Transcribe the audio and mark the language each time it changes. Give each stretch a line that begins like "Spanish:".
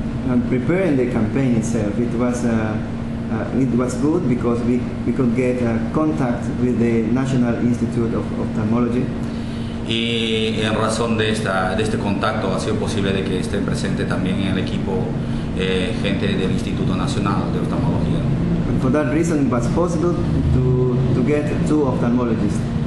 English: And preparing the campaign itself, it was good because we could get contact with the National Institute of Ophthalmology.
Spanish: Y en razón de este contacto ha sido posible de que estén presente también en el equipo gente del Instituto Nacional de Oftalmología.
English: And for that reason, it was possible to get two ophthalmologists.